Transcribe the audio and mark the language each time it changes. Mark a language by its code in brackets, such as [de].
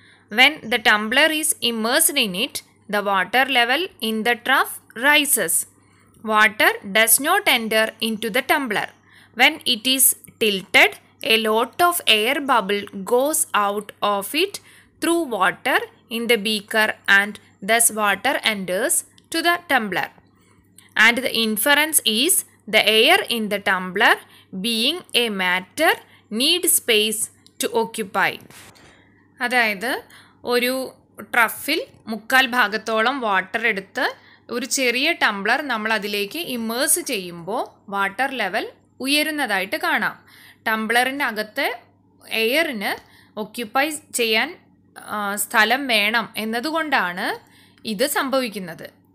[en] When the tumbler is immersed in it, the water level in the trough rises. Water does not enter into the tumbler. When it is tilted a lot of air bubble goes out of it through water in the beaker and thus water enters to the tumbler. And the inference is the air in the tumbler being a matter needs space to occupy. [ml] അതായത് ഒരു truffle മുക്കാൽ ഭാഗത്തോളം water എടുത്ത് ഒരു ചെറിയ Tumblr നമ്മൾ അതിലേക്ക് immerse ചെയ്യുമ്പോൾ water level ഉയരുന്നതായിട്ട് കാണാം. ടംബ്ലറിൻ്റെ അകത്ത് എയറിന് ഓക്യുപ്പൈ ചെയ്യാൻ സ്ഥലം വേണം എന്നതുകൊണ്ടാണ് ഇത് സംഭവിക്കുന്നത്.